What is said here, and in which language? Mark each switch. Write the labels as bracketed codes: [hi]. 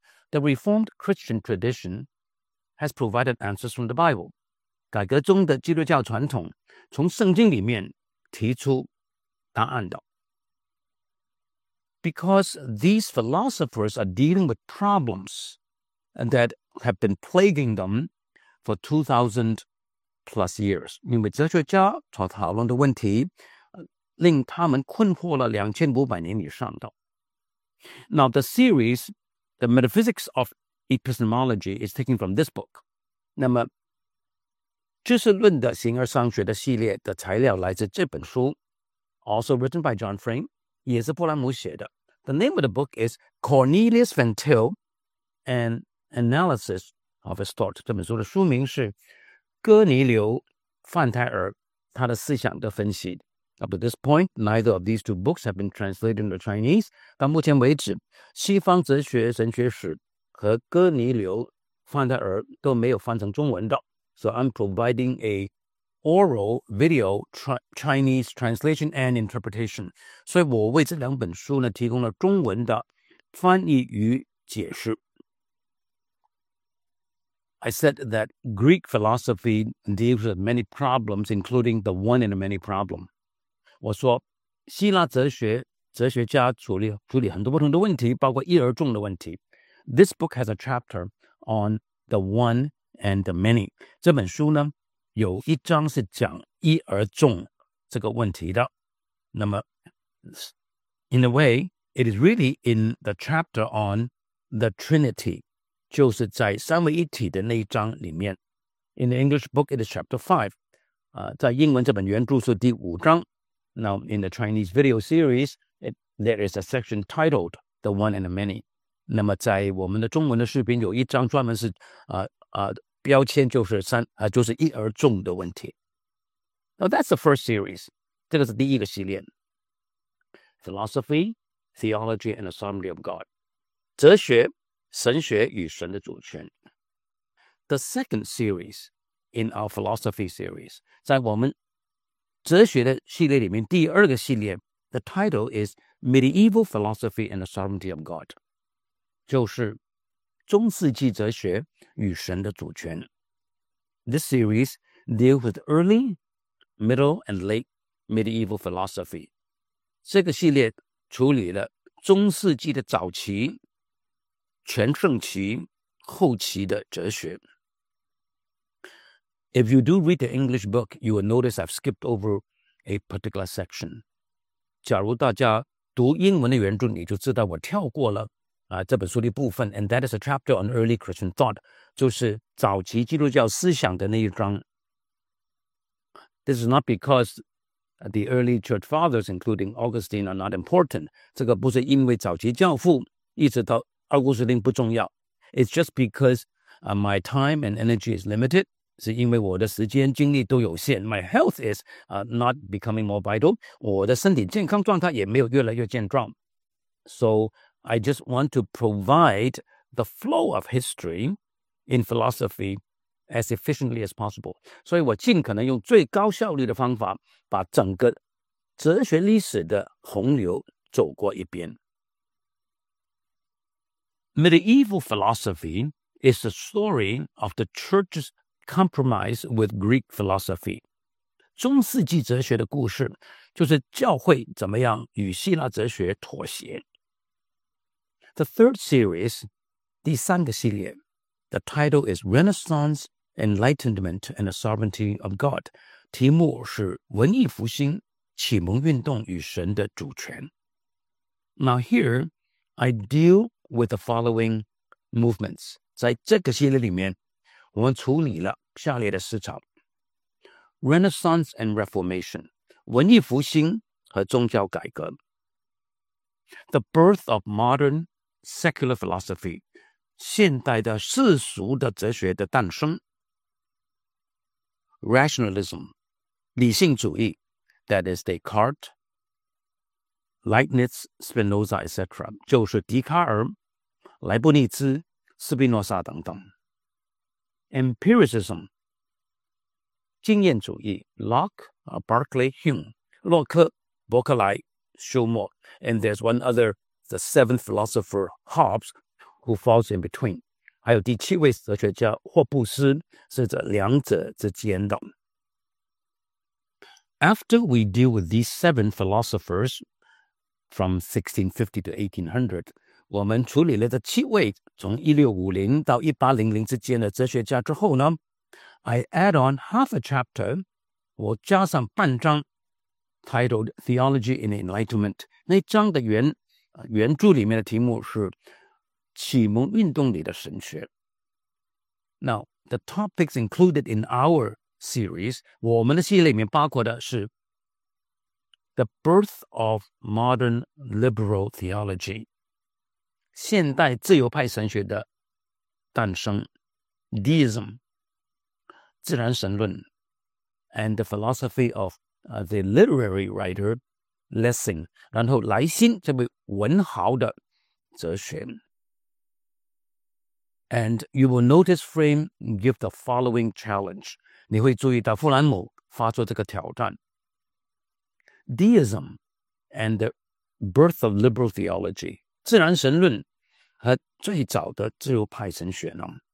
[en] The Reformed Christian tradition has provided answers from the Bible. [zh] 改革中的基督教传统从圣经里面提出答案的。 [en] Because these philosophers are dealing with problems that have been plaguing them. For 2,000 plus years. [zh] 因为哲学家所讨论的问题令他们困惑了2500年以上的。 [en] Now the series, The Metaphysics of Epistemology is taken from this book. [zh] 那么知识论的形而上学的系列的材料来自这本书。 [en] Also written by John Frame. [zh] 也是波兰姆写的。 [en] The name of the book is Cornelius Van Til, An Analysis of his thought. [zh] 这本书的书名是哥尼流范泰尔他的思想的分析。 [en] Up to this point, neither of these two books have been translated into Chinese. [zh] 到目前为止，西方哲学神学史和哥尼流范泰尔都没有翻成中文的。 [en] So I'm providing a oral video Chinese translation and interpretation. [zh] 所以我为这两本书呢提供了中文的翻译与解释。 [en] I said that Greek philosophy deals with many problems, including the one and the many problem. [zh] 我说希腊哲学家处理很多不同的问题，包括一而众的问题。 [en] This book has a chapter on the one and the many. [zh] 这本书呢，有一章是讲一而众这个问题的。 [en] 那么 in a way, it is really in the chapter on the Trinity. [zh] 就是在三位一体的那一章里面。 [en] In the English book, it is chapter 5.、 [zh] 在英文这本原著是第五章。 [en] Now, in the Chinese video series, there is a section titled The One and the Many. [zh] 那么在我们的中文的视频有一章专门是、标签就是三、就是一而众的问题。 [en] Now, that's the first series. [zh] 这个是第一个系列。 [en] Philosophy, Theology, and the Sovereignty of God. [zh] 哲学神学与神的主权。 [en] The second series in our philosophy series, [zh] 在我们哲学的系列里面第二个系列 [en] The title is Medieval Philosophy and the Sovereignty of God. [zh] 就是中世纪哲学与神的主权。 [en] This series deals with early, middle, and late medieval philosophy. [zh] 这个系列处理了中世纪的早期、全盛期、后期的哲学。 [en] If you do read the English book, you will notice I've skipped over a particular section. [zh] 假如大家读英文的原著，你就知道我跳过了、这本书的部分。 [en] And that is a chapter on early Christian thought, [zh] 就是早期基督教思想的那一章。 [en] This is not because the early church fathers, including Augustine, are not important. [zh] 这个不是因为早期教父一直到奥古斯丁不重要。 [en] It's just because、my time and energy is limited. [zh] 是因为我的时间精力都有限 [en] My health is、not becoming more vital [zh] 我的身体健康状态也没有越来越健壮 [en] So I just want to provide the flow of history in philosophy as efficiently as possible [zh] 所以我尽可能用最高效率的方法把整个哲学历史的洪流走过一遍 [en] Medieval philosophy is the story of the church'scompromise with Greek philosophy. [zh] 中世纪哲学的故事就是教会怎么样与希腊哲学妥协。 [en] The third series, [zh] 第三个系列, [en] the title is Renaissance, Enlightenment, and the Sovereignty of God. [zh] 题目是文艺复兴、启蒙运动与神的主权。 [en] Now here, I deal with the following movements. [zh] 在这个系列里面我们处理了下列的思潮 [en] Renaissance and Reformation [zh] 文艺复兴和宗教改革 [en] The birth of modern secular philosophy [zh] 现代的世俗的哲学的诞生 [en] Rationalism [zh] 理性主义 [en] That is Descartes Leibniz, Spinoza, etc [zh] 就是笛卡尔莱布尼兹斯宾诺莎等等 [en] Empiricism, [zh] 经验主义 [en] Locke, Berkeley, Hume, [zh] 洛克、伯克莱、休谟 [en] and there's one other, the seventh philosopher, Hobbes, who falls in between. [zh] 还有第七位哲学家霍布斯是这两者之间的。 [en] After we deal with these seven philosophers from 1650 to 1800, [zh] 我们处理了这七位从1650到1800之间的哲学家之后呢 [en] I add on half a chapter [zh] 我加上半章 [en] titled Theology in Enlightenment [zh] 那章的原著里面的题目是启蒙运动里的神学 [en] Now, the topics included in our series [zh] 我们的系列里面包括的是 [en] The Birth of Modern Liberal Theology [zh] 现代自由派神学的诞生 [en] Deism [zh] 自然神论 [en] And the philosophy of、the literary writer Lessing [zh] 然后莱辛这位文豪的哲学 [en] And you will notice Frame give the following challenge [zh] 你会注意到富兰姆发出这个挑战 [en] Deism and the birth of liberal theology [zh] 自然神论和最早的自由派神学呢